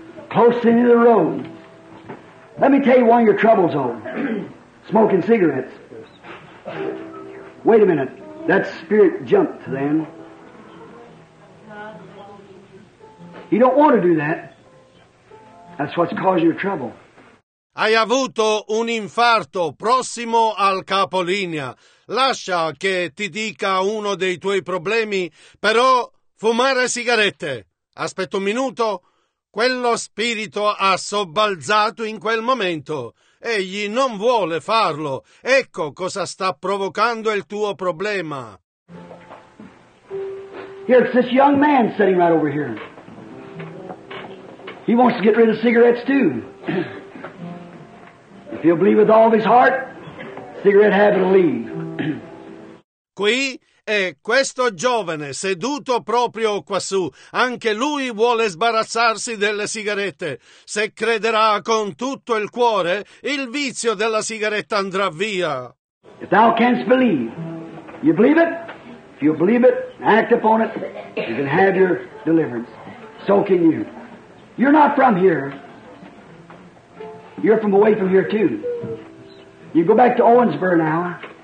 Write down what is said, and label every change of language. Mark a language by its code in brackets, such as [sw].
[en] Close into the road. Let me tell you one of your troubles, old. Smoking cigarettes. Wait a minute, that spirit jumped then. You don't want to do that. That's what's causing your trouble. [it] Hai avuto un infarto prossimo al capolinea. Lascia che ti dica uno dei tuoi problemi, però fumare sigarette. Aspetta un minuto. Quello spirito ha sobbalzato in quel momento. Egli non vuole farlo. Ecco cosa sta provocando il tuo problema. [en] Here's this young man sitting right over here. He wants to get rid of cigarettes too. If he'll believe with all of his heart, cigarette habit will leave. [it] Qui è questo giovane seduto proprio quassù. Anche lui vuole sbarazzarsi delle sigarette. Se crederà con tutto il cuore, il vizio della sigaretta andrà via. [en] If thou canst believe, you believe it? If you believe it, act upon it, you can have your deliverance. So can you. You're not from here. You're from away from here too. You go back to Owensboro now.